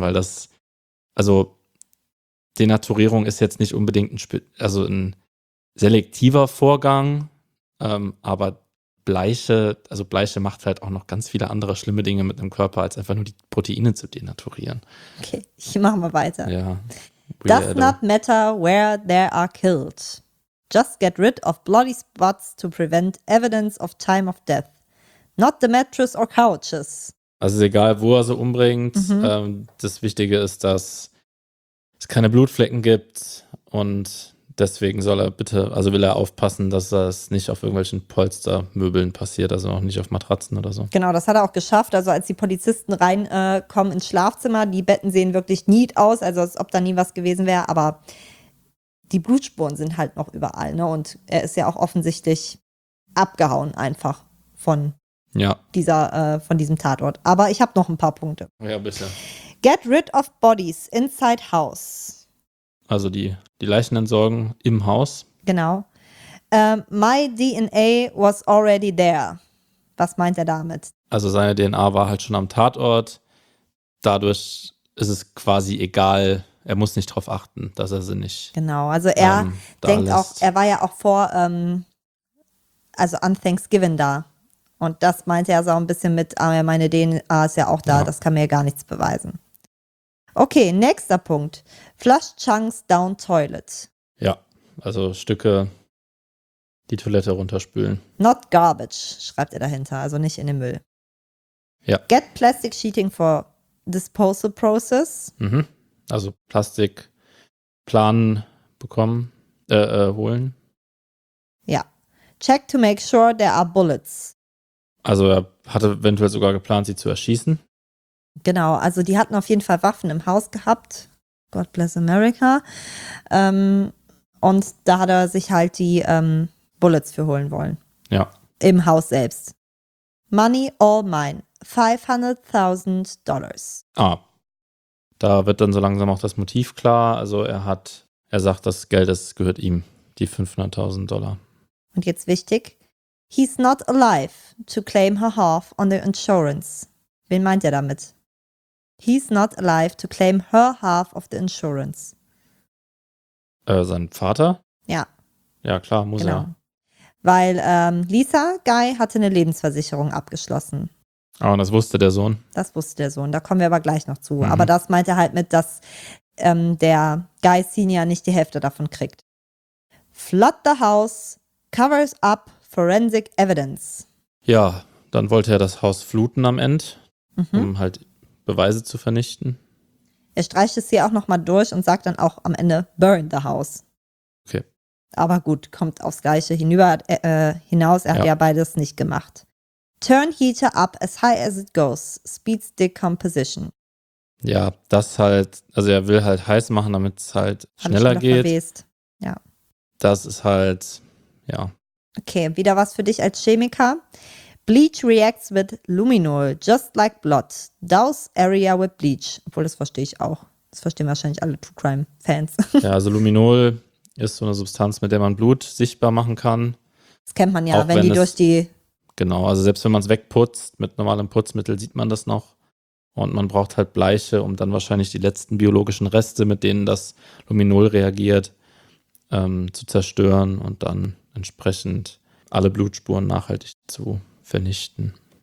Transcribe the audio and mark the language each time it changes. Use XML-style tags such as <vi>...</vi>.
<de>Weil das, also Denaturierung ist jetzt nicht unbedingt ein selektiver Vorgang. Aber Bleiche macht halt auch noch ganz viele andere schlimme Dinge mit dem Körper, als einfach nur die Proteine zu denaturieren. Okay, ich mache mal weiter. Ja.</de> <en>Does not matter where they are killed. Just get rid of bloody spots to prevent evidence of time of death. Not the mattress or couches.</en> <de>Also ist egal, wo er so umbringt. Mhm. Das Wichtige ist, dass es keine Blutflecken gibt und deswegen soll er bitte, also will er aufpassen, dass das nicht auf irgendwelchen Polstermöbeln passiert, also auch nicht auf Matratzen oder so. Genau, das hat er auch geschafft. Also als die Polizisten reinkommen ins Schlafzimmer, die Betten sehen wirklich neat aus, also als ob da nie was gewesen wäre, aber die Blutspuren sind halt noch überall, ne? Und er ist ja auch offensichtlich abgehauen einfach von diesem Tatort. Aber ich habe noch ein paar Punkte. Ja, bitte.</de> <en>Get rid of bodies inside house.</en> <de>Also die Leichen entsorgen im Haus. Genau.</de> <en>My DNA was already there.</en> <de>Was meint er damit? Also seine DNA war halt schon am Tatort. Dadurch ist es quasi egal. Er muss nicht darauf achten, dass er sie nicht. Genau, also er denkt lässt. Auch, er war ja auch vor, also an Thanksgiving da. Und das meinte er so ein bisschen mit, aber meine DNA ist ja auch da, ja. Das kann mir ja gar nichts beweisen. Okay, nächster Punkt.</de> <en>Flush Chunks down toilet.</en> <de>Ja, also Stücke, die Toilette runterspülen.</de> <en>Not garbage,</en> <de>schreibt er dahinter, also nicht in den Müll. Ja.</de> <en>Get plastic sheeting for disposal process.</en> <de>Mhm. Also Plastikplanen bekommen, holen. Ja.</de> <en>Check to make sure there are bullets.</en> <de>Also er hatte eventuell sogar geplant, sie zu erschießen. Genau, also die hatten auf jeden Fall Waffen im Haus gehabt.</de> <en>God bless America.</en> <de>Und da hat er sich halt die Bullets für holen wollen. Ja. Im Haus selbst.</de> <en>Money all mine. $500,000. Ah.</en> <de>Da wird dann so langsam auch das Motiv klar. Also er sagt, das Geld, das gehört ihm, die $500,000. Und jetzt wichtig,</de> <en>he's not alive to claim her half on the insurance.</en> <de>Wen meint er damit?</de> <en>He's not alive to claim her half of the insurance.</en> <de>Sein Vater? Ja. Ja, klar, muss genau. Er. Weil Lisa Guy hatte eine Lebensversicherung abgeschlossen. Ah, und das wusste der Sohn? Das wusste der Sohn, da kommen wir aber gleich noch zu. Mhm. Aber das meint er halt mit, dass der Guy Senior nicht die Hälfte davon kriegt.</de> <en>Flood the house, covers up forensic evidence.</en> <de>Ja, dann wollte er das Haus fluten am Ende, um halt Beweise zu vernichten. Er streicht es hier auch nochmal durch und sagt dann auch am Ende,</de> <en>burn the house.</en> <de>Okay. Aber gut, kommt aufs Gleiche hinaus, er hat ja beides nicht gemacht.</de> <en>Turn heater up as high as it goes. Speeds decomposition.</en> <de>Ja, das halt, also er will halt heiß machen, damit es halt schneller geht. Verwest. Ja. Das ist halt, ja. Okay, wieder was für dich als Chemiker.</de> <en>Bleach reacts with luminol, just like blood. Douse area with bleach.</en> <de>Obwohl, das verstehe ich auch. Das verstehen wahrscheinlich alle True Crime Fans. Ja, also luminol ist so eine Substanz, mit der man Blut sichtbar machen kann. Das kennt man ja, auch wenn die durch die... Genau, also selbst wenn man es wegputzt, mit normalem Putzmittel sieht man das noch. Und man braucht halt Bleiche, um dann wahrscheinlich die letzten biologischen Reste, mit denen das Luminol reagiert, zu zerstören und dann entsprechend alle Blutspuren nachhaltig zu vernichten.</de>